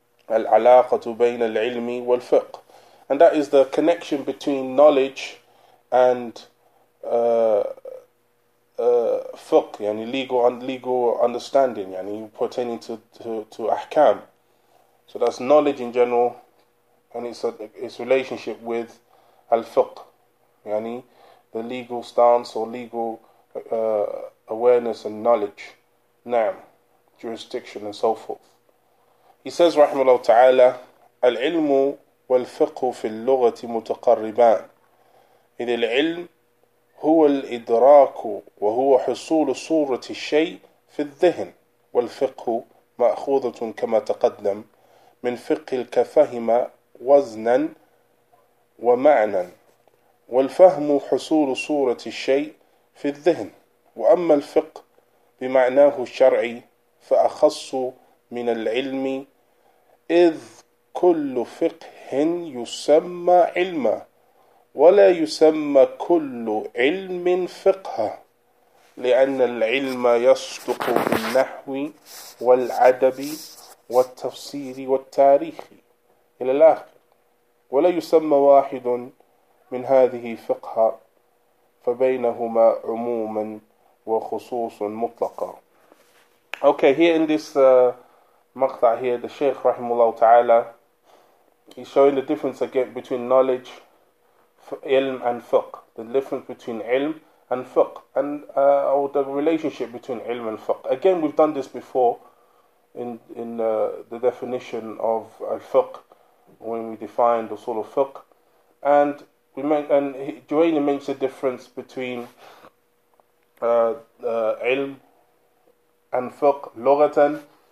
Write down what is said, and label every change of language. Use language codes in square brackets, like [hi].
[ar] العلاقة بين العلم والفقه. [en] And that is the connection between knowledge and fiqh, yani legal understanding, yani pertaining to ahkam. So that's knowledge in general, and it's relationship with al-fiqh, yani the legal stance or legal awareness and knowledge, na'am, jurisdiction and so forth. He says, [ar] رحمه الله تعالى, العلم والفقه في اللغة متقربان. إذ العلم هو الإدراك وهو حصول صورة الشيء في الذهن، والفقه مأخوذة كما تقدم من فقه الكفهم وزنا ومعنا، والفهم حصول صورة الشيء في الذهن. وأما الفقه بمعناه الشرعي فأخص من العلم، إذ كل فقه يسمى علما ولا يسمى كل علم فقه لأن العلم يصدق بالنحو والعدب والتفسير والتاريخ إلى الآخر. ولا يسمى واحد من هذه فقه فبينهما عموما وخصوص مطلقا. [en] Okay, here in this مقطع here, the Sheikh [ar] رحمه الله تعالى [en] is showing the difference again between knowledge, ilm and fiqh. The difference between ilm and fiqh, and or the relationship between ilm and fiqh. Again, we've done this before in the definition of al-fiqh when we defined the usul al-fiqh, and we meant, and Juwayni makes a difference between ilm and fiqh lughatan.